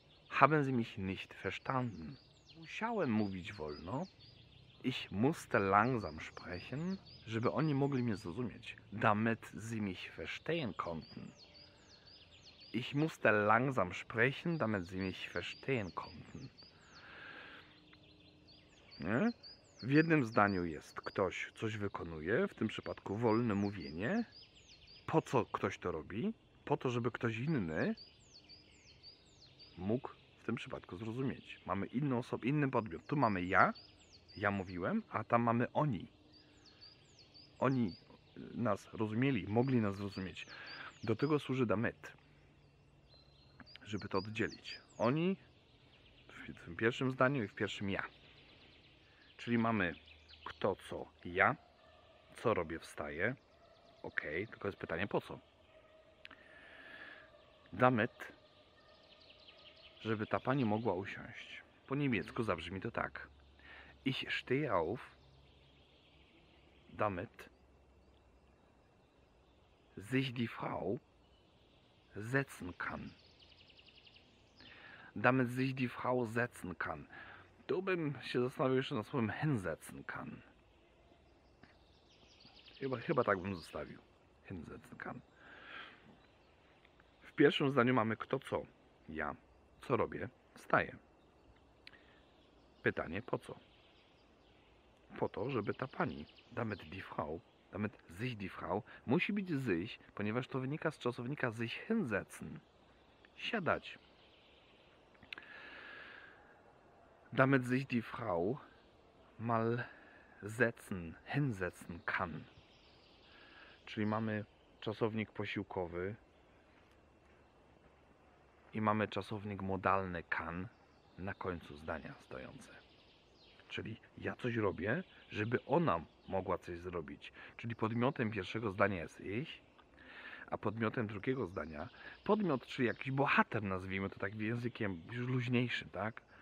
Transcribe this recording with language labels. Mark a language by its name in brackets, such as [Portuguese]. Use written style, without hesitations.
[German] Haben sie mich nicht verstanden. [Polish] Musiałem mówić wolno. [German] Ich musste langsam sprechen, [Polish] żeby oni mogli mnie zrozumieć. [German] Damit sie mich verstehen konnten. Ich musste langsam sprechen, damit sie mich verstehen konnten. [Polish] Nie? W jednym zdaniu jest ktoś coś wykonuje, w tym przypadku wolne mówienie. Po co ktoś to robi? Po to, żeby ktoś inny mógł w tym przypadku zrozumieć. Mamy inną osobę, inny podmiot. Tu mamy ja mówiłem, a tam mamy oni. Oni nas rozumieli, mogli nas zrozumieć. Do tego służy damit, żeby to oddzielić. Oni w tym pierwszym zdaniu i w pierwszym ja. Czyli mamy kto, co, ja, co robię, wstaję. Ok, tylko jest pytanie po co? Damit, żeby ta pani mogła usiąść. Po niemiecku zabrzmi to tak. [German] Ich stehe auf, damit sich die Frau setzen kann. Damit sich die Frau setzen kann. [Polish] Tu bym się zastanowił jeszcze nad słowem hinsetzen kann. Chyba tak bym zostawił. [German] Hinsetzen kann. [Polish] W pierwszym zdaniu mamy kto, co. Ja. Co robię? Wstaję. Pytanie po co? Po to, żeby ta pani, [German] damit die Frau, damit sich die Frau, [Polish] musi być sich, ponieważ to wynika z czasownika sich hinsetzen. Siadać. [German] Damit sich die Frau mal setzen, hinsetzen kann. [Polish] Czyli mamy czasownik posiłkowy i mamy czasownik modalny kann na końcu zdania stojące. Czyli ja coś robię, żeby ona mogła coś zrobić. Czyli podmiotem pierwszego zdania jest ich, a podmiotem drugiego zdania, podmiot, czyli jakiś bohater, nazwijmy to tak językiem już luźniejszym, tak?